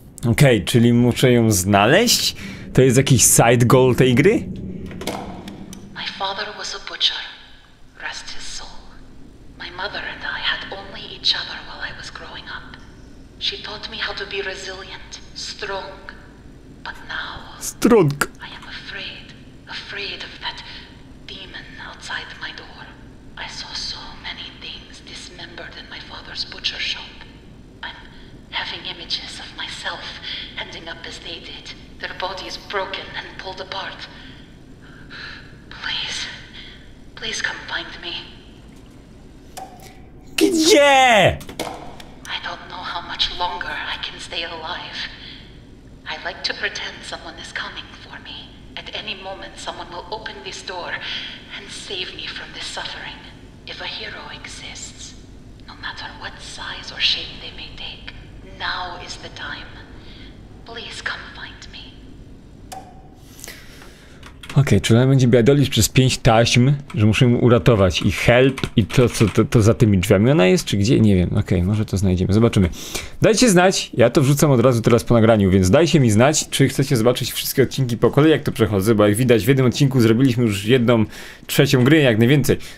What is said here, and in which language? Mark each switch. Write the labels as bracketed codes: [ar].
[pl] Okej, czyli muszę ją znaleźć? To jest jakiś side goal tej gry? [en] My father was a butcher. Rest his soul. My mother and I had only each other while I was growing up. She taught me how to be resilient, strong. But now... Strong! I am afraid. Afraid of that demon outside my door. I saw so many things dismembered in my father's butcher shop. Having images of myself ending up as they did, their bodies broken and pulled apart. Please, please come find me. Yeah! I don't know how much longer I can stay alive. I like to pretend someone is coming for me. At any moment, someone will open this door and save me from this suffering. If a hero exists, no matter what size or shape they may take, now is the time. Please come find me. [pl] Okej, czy ona będzie biadolić przez 5 taśm, że muszę ją uratować i help i to co to za tymi drzwiami ona jest, czy gdzie? Nie wiem. Okej, może to znajdziemy. Zobaczymy. Dajcie znać, ja to wrzucam od razu teraz po nagraniu, więc dajcie mi znać, czy chcecie zobaczyć wszystkie odcinki po kolei, jak to przechodzę, bo jak widać w jednym odcinku zrobiliśmy już 1/3 gry, jak najwięcej.